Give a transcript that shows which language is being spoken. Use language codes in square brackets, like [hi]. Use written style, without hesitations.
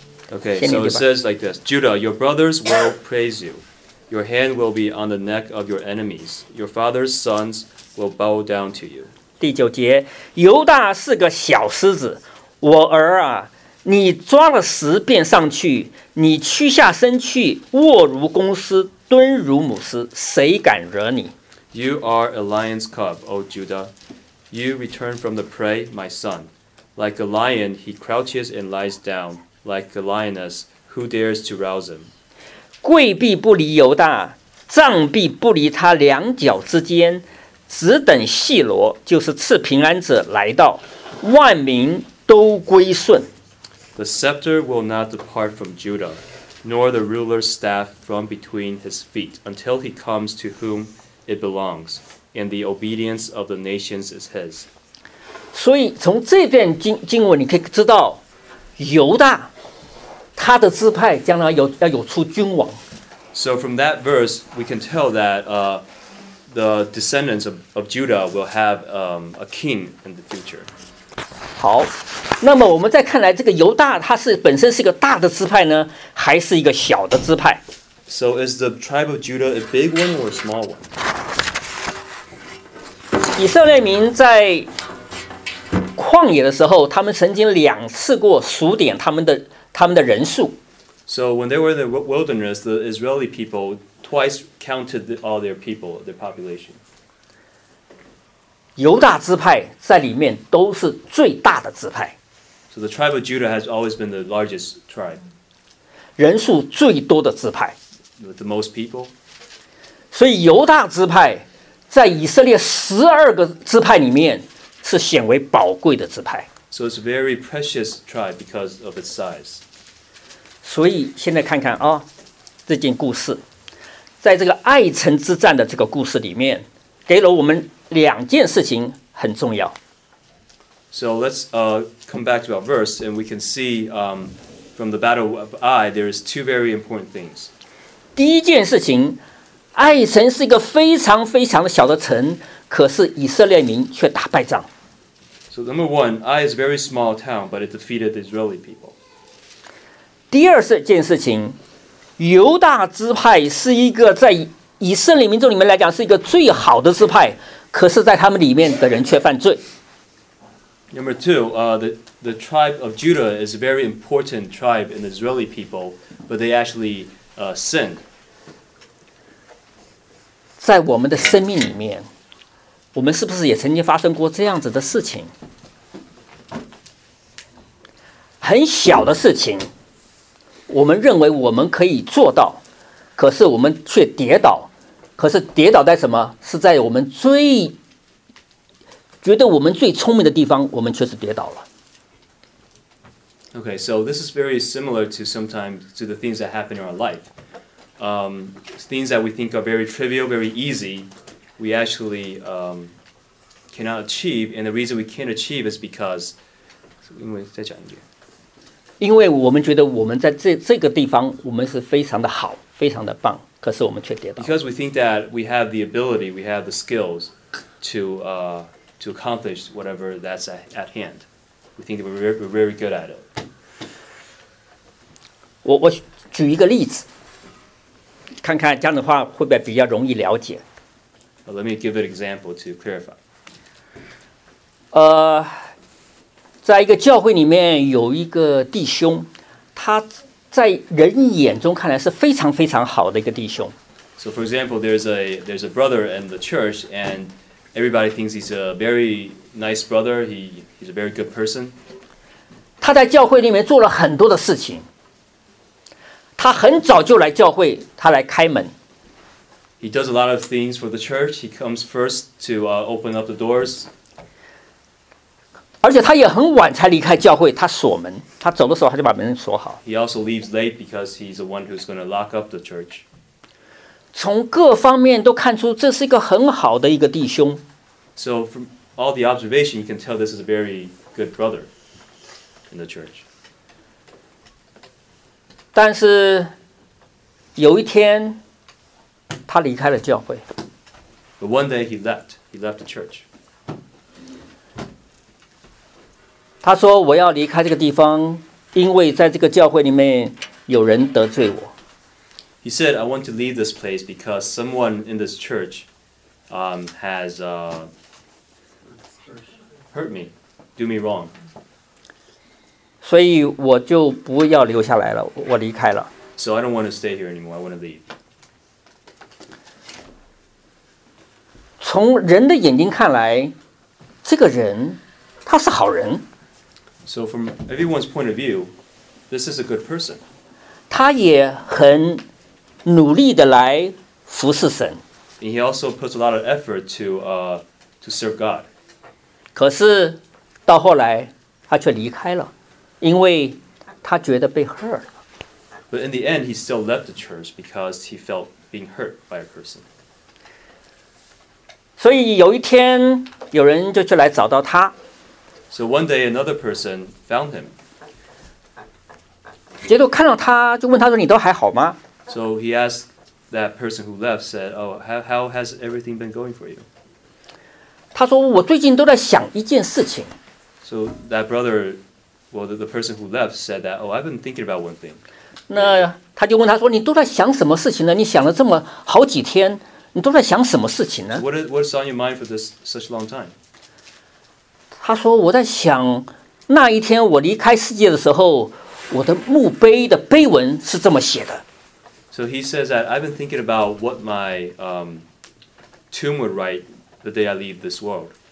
[en] Okay, so it says like this: Judah, your brothers will praise you. Your hand will be on the neck of your enemies. Your father's sons will bow down to you. [zh] 第九节，犹大是个小狮子，我儿啊，你抓了石便上去，你屈下身去，卧如公狮。敦如母狮，谁敢惹你？ [en] You are a lion's cub, O Judah. You return from the prey, my son. Like a lion, he crouches and lies down. Like a lioness, who dares to rouse him? [zh] 跪必不离犹大，杖必不离他两脚之间，只等细罗，就是赐平安者来到，万民都归顺。 [en] The scepter will not depart from Judah. Nor the ruler's staff from between his feet, until he comes to whom it belongs, and the obedience of the nations is his. [zh] 所以从这段经文，你可以知道，犹大他的支派将来要有出君王。 [en] So from that verse, we can tell that the descendants of Judah will have a king in the future. [zh] 好。那么我们再看来，这个犹大它是本身是一个大的支派呢，还是一个小的支派 [en] ？So is the tribe of Judah a big one or a small one？ [zh] 以色列民在旷野的时候，他们曾经两次过数点他们的人数。 [en] So when they were in the wilderness, the Israeli people twice counted all their people, their population. [zh] 犹大支派在里面都是最大的支派。 [en] So the tribe of Judah has always been the largest tribe. [zh] 人数最多的支派。 [en] The most people. [zh] 所以犹大支派在以色列十二个支派里面是显为宝贵的支派。 [en] So it's a very precious tribe because of its size. [zh] 所以现在看看啊，这件故事，在这个爱城之战的这个故事里面，给了我们两件事情很重要。 [en] So let's come back to our verse, and we can see from the battle of Ai, there is two very important things. [zh] 第一件事情，爱城是一个非常非常的小的城，可是以色列民却打败仗。 [en] So number one, Ai is a very small town, but it defeated the Israeli people. [zh] 第二件事情，犹大支派是一个在以色列民众里面来讲是一个最好的支派，可是在他们里面的人却犯罪。 [en] Number two, the tribe of Judah is a very important tribe in the Israeli people, but they actually sinned. [zh] 在我们的生命里面，我们是不是也曾经发生过这样子的事情？很小的事情，我们认为我们可以做到，可是我们却跌倒。可是跌倒在什么？是在我们最觉得我们最聪明的地方，我们却是跌倒了。 [en] Okay, so this is very similar to sometimes to the things that happen in our life. Things that we think are very trivial, very easy, we actually cannot achieve. And the reason we can't achieve is because [zh] 因为再讲一遍，因为我们觉得我们在这个地方，我们是非常的好，非常的棒，可是我们却跌倒。 [en] Because we think that we have the ability, we have the skills to to accomplish whatever that's at hand. We think that we're very good at it. [zh] 我举一个例子。看看这样的话会不会比较容易了解。 [en] Let me give an example to clarify. [zh] 在一个教会里面有一个弟兄，他在人眼中看来是非常非常好的一个弟兄。 [en] So for example, there's a brother in the church, and everybody thinks he's a very nice brother. He's a very good person. [zh] 他在教会里面做了很多的事情。他很早就来教会，他来开门。 [en] He does a lot of things for the church. He comes first to open up the doors. [zh] 而且他也很晚才离开教会，他锁门。他走的时候，他就把门锁好。 [en] He also leaves late because he's the one who's going to lock up the church. [zh] 从各方面都看出这是一个很好的一个弟兄。 [en] So from all the observation, you can tell this is a very good brother in the church. [zh] 但是有一天。他离开了教会。 [en] But one day he left the church. [zh] 他说我要离开这个地方，因为在这个教会里面有人得罪我。 [en] He said, I want to leave this place because someone in this church hurt me, do me wrong. [zh] 所以我就不要留下来了，我离开了。 [en] So I don't want to stay here anymore, I want to leave. [zh] 从人的眼睛看来，这个人他是好人。 [en] So from everyone's point of view, this is a good person. [zh] 他也很努力的来服侍神。 [en] And he also puts a lot of effort to serve God. [zh] 可是到后来他却离开了，因为他觉得被 hurt 了。 [en] But in the end, he still left the church because he felt being hurt by a person. [zh] 所以有一天，有人就去来找到他。 [en] So one day another person found him. [zh] 结果看到他，就问他说：“你都还好吗？” [en] So he asked that person who left, said, "Oh, how has everything been going for you?" [zh] 他说：“我最近都在想一件事情。” [en] So that brother, well, the person who left said that, "Oh, I've been thinking about one thing." [zh] 那他就问他说：“你都在想什么事情呢？你想了这么好几天。” 你都在想什么事情呢？ [en] What's on your mind for this such long time? [zh] 他说我在想那一天我离开世界的时候，我的墓碑的碑文是这么写的。 [en] So he says that I've been thinking about what my tomb would write the day I leave this world.